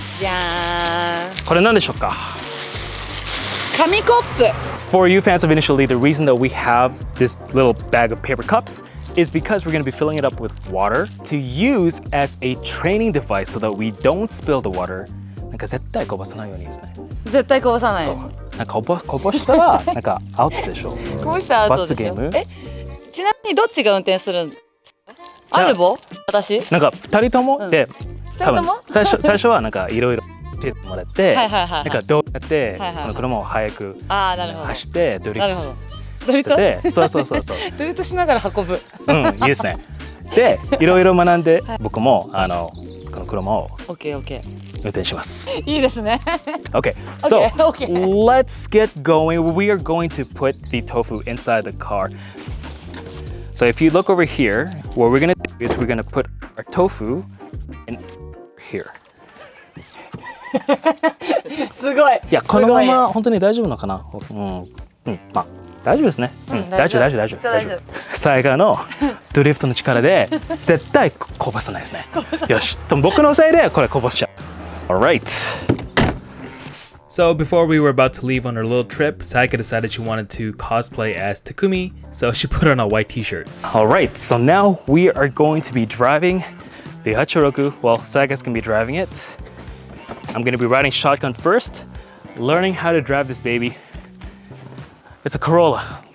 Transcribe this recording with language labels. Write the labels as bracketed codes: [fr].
[en] Yeah. [ja] これ何でしょうか? 紙コップ! [en] For you fans of Initial D, the reason that we have this little bag of paper cups is because we're going to be filling it up with water to use as a training device so that we don't spill the water. [ja] なんか絶対こぼさないようにですね。絶対こぼさない。そう。なんかこぼしたらなんかアウトでしょ。こぼしたらアウトでしょ。罰ゲーム? ちなみにどっちが運転するんですか？アルボ？私？なんか二人とも、うん、で多分最初はなんかいろいろ教えてもらって、なんかどうやってこの車を早く走ってドリフトしてて、そうそうそうそう。ドリフトしながら運ぶ。うん、いいですね。で、いろいろ学んで、はい、僕もあのこの車を運転します。いいですね。 [en] Okay, so let's get going. We are going to put the tofu inside the car. So if you look over here, what we're gonna do is we're gonna put our tofu in here. [ja] すごい。いや、このまま本当に大丈夫なのかな。うん、うん、まあ。大丈夫ですね、うん、大丈夫サイガーのドリフトの力で絶対こぼさないですねよし、でも僕のせいでこれこぼしちゃう [en] Alright So before we were about to leave on our little trip Sayaka decided she wanted to cosplay as Takumi So she put on a white t-shirt Alright, so now we are going to be driving the Hachiroku Well, Sayaka's gonna be driving it I'm gonna be riding shotgun first Learning how to drive this babyIt's a Corolla.